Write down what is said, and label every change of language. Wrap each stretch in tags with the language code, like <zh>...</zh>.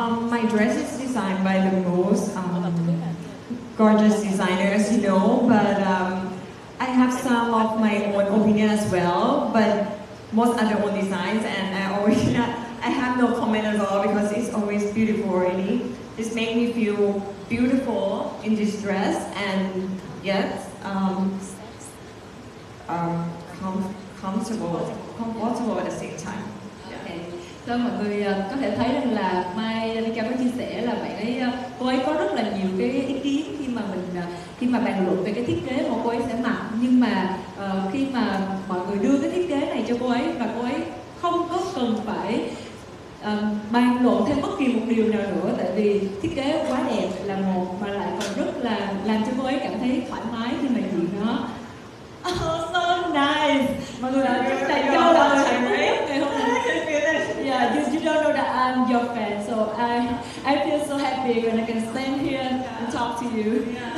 <en>My dress is designed by the most gorgeous designer, as you know, but I have some of my own opinion as well, but most other own designs, and I have no comment at all because it's always beautiful already. This made me feel beautiful in this dress, and yes, comfortable at the same time. Okay.</en> <vi>So mọi người có thể thấy rằng là Mai Danica có chia sẻ là bạn ấy, cô ấy có rất là nhiều cái ý kiến khi mà bàn luận về cái thiết kế mà cô ấy sẽ mặc, nhưng mà khi mà mọi người đưa cái thiết kế này cho cô ấy và cô ấy không có cần phải bàn luận thêm bất kỳ một điều nào nữa, tại vì thiết kế quá đẹp là một, mà lại còn rất là làm cho cô ấy cảm thấy thoải mái khi mà diện nó.</vi> <en>Oh, so nice.</en> <vi>Mọi người đã biết tại sao là ngày hôm nay.</vi> <en>Yeah, you don't know that I'm your fan, so I feel so happy when I can stand here and talk to you.</en>